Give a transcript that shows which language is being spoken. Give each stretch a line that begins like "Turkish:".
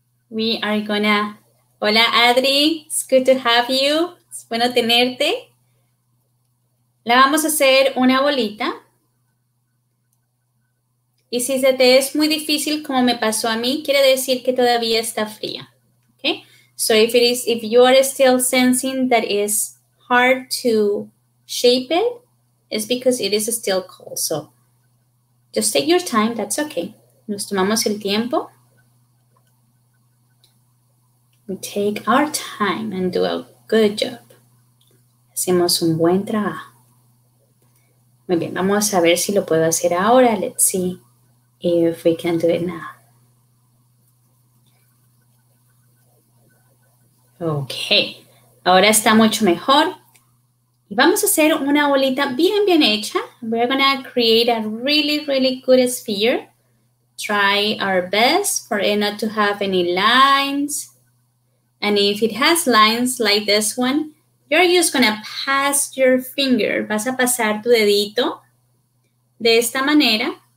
English: We are gonna...
Spanish: Hola, Adri.
English: It's good to have you.
Spanish: Es bueno tenerte. La vamos a hacer una bolita. Y si se te es muy difícil, como me pasó a mí, quiere decir que todavía está fría.
English: Okay? So if it is, if you are still sensing that it's hard to shape it, it's because it is still cold. So just take your time. That's okay.
Spanish: Nos tomamos el tiempo.
English: We take our time and do a good job.
Spanish: Hacemos un buen trabajo. Muy bien, vamos a ver si lo puedo hacer ahora.
English: Let's see. If we can do it now.
Spanish: Okay. Ahora está mucho mejor. Y vamos a hacer una bolita bien, bien hecha.
English: We're going to create a really, really good sphere. Try our best for it not to have any lines. And if it has lines like this one, you're just going to pass your finger.
Spanish: Vas a pasar tu dedito de esta manera.